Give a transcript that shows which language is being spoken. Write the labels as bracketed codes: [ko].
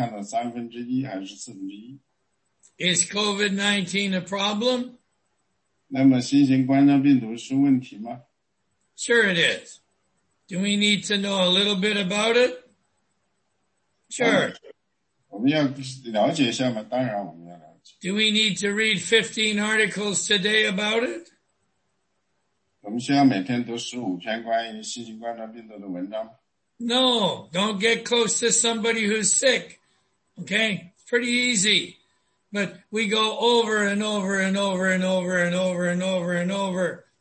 [zh] COVID-19.因为他最近他看见了一个关于一个新闻，新闻是关于那个新冠新型冠状病毒的，所以呢，他看了大概看了三分之一还是四分之一。 [en] Is COVID-19 a problem? [zh] 那么新型冠状病毒是问题吗？ [en] Sure it is. Do we need to know a little bit about it? Sure. [zh] 我们要了解一下吗?当然我们要了解。 [en] Do we need to read 15 articles today about it? [zh] 我们需要每天读15篇关于新型冠状病毒的文章吗? [en] No, don't get close to somebody who's sick. Okay, it's pretty easy. But we go over and over and over and over and over and over and over.